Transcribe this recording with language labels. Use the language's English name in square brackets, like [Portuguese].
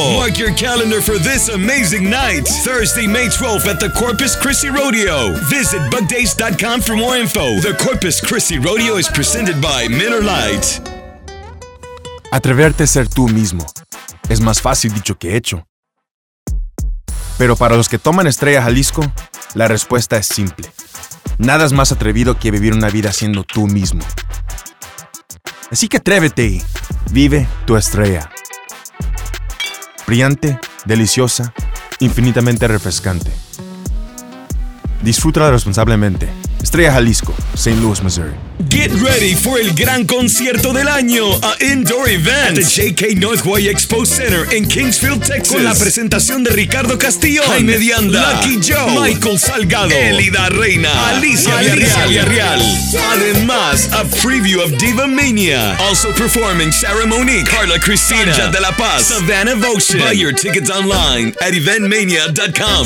[English] Mark your calendar for this amazing night, Thursday, May 12th at the Corpus Christi Rodeo. Visit bugdays.com for more info. The Corpus Christi Rodeo is presented by Miller Lite. [Spanish] Atreverte a ser tú mismo es más fácil dicho que hecho. Pero para los que toman Estrella Jalisco, la respuesta es simple. Nada es más atrevido que vivir una vida siendo tú mismo. Así que atrévete y vive tu estrella. Brillante, deliciosa, infinitamente refrescante. Disfrútala responsablemente. Estrella Jalisco, St. Louis, Missouri. [English] Get ready for [Spanish] el gran concierto del año, [English] an indoor event at the JK Northway Expo Center in Kingsfield, Texas. [Spanish] Con la presentación de Ricardo Castillo, Jaime Dianda, Lucky Joe, Michael Salgado, Elida Reina, Alicia Villarreal. Además, [English] a preview of Diva Mania. Also performing Sarah Monique, Carla Cristina, Anja de la Paz, Savannah Votion. Buy your tickets online at eventmania.com.